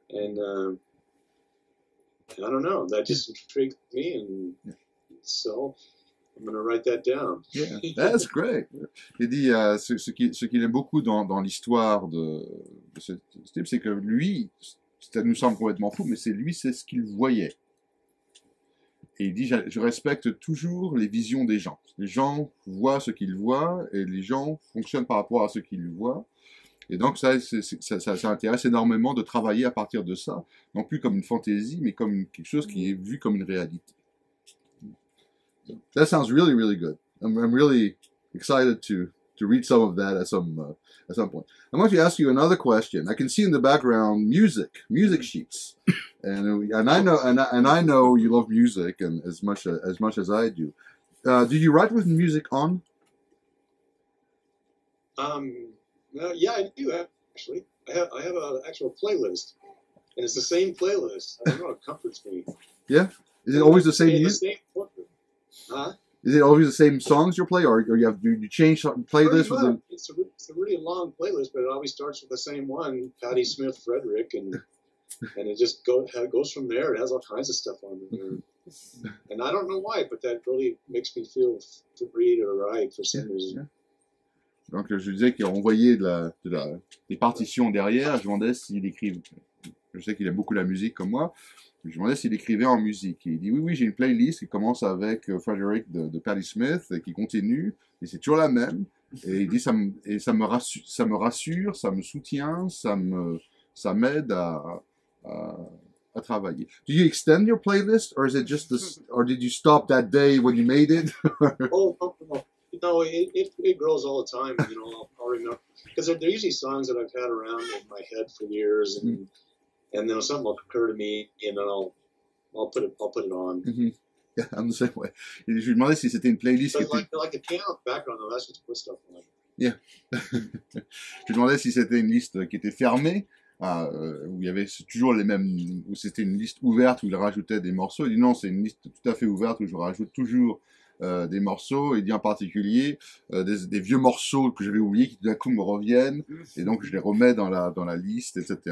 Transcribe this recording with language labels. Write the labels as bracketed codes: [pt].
[en] And I don't know, that just intrigued me and yeah. So, I'm going to write that down. Yeah, that's great. [fr] Il dit ce qu'il aime beaucoup dans l'histoire de ce type, c'est que lui, ça nous semble complètement fou, mais c'est ce qu'il voyait. Et il dit, je respecte toujours les visions des gens. Les gens voient ce qu'ils voient et les gens fonctionnent par rapport à ce qu'ils voient. Et donc, ça intéresse énormément de travailler à partir de ça, non plus comme une fantaisie, mais comme quelque chose qui est vu comme une réalité. [en] That sounds really, really good. I'm really excited to to read some of that at some point. I'm going to ask you another question. I can see in the background music sheets, and I know you love music and as much as I do. Do you write with music on? Yeah, I do actually. I have an actual playlist, and it's the same playlist. I don't know, it comforts me. Yeah, is it always the same music? Is it always the same songs you play, or you change playlists with them? It's a really long playlist, but it always starts with the same one, Patti Smith, Frederick, and and it just goes from there. It has all kinds of stuff on there, and I don't know why, but that really makes me feel free to write for some reason. Yeah. [fr] Donc, je disais qu'il a envoyé des partitions derrière. Je demandais s'il écrivait. Je sais qu'il aime beaucoup la musique comme moi. Je demandais s'il écrivait en musique. Et il dit oui, j'ai une playlist qui commence avec Frederick de Patti Smith et qui continue. Et c'est toujours la même. Et il dit ça me rassure, ça me soutient, ça m'aide à travailler. [en] Do you extend your playlist or is it just or did you stop that day when you made it? No, it grows all the time. You know, I'll remember because they're usually songs that I've had around in my head for years, and then something will occur to me, and then I'll put it on. Mm-hmm. Yeah, I'm the same way. [fr] Je lui demandais si c'était une playlist. [en] Like the piano background, though, that's what you put stuff on. Yeah. [fr] Je lui demandais si c'était une liste qui était fermée. Où il y avait toujours les mêmes, où c'était une liste ouverte où il rajoutait des morceaux. Il dit non, c'est une liste tout à fait ouverte où je rajoute toujours des morceaux. Il dit en particulier des vieux morceaux que j'avais oubliés qui d'un coup me reviennent et donc je les remets dans la liste, etc.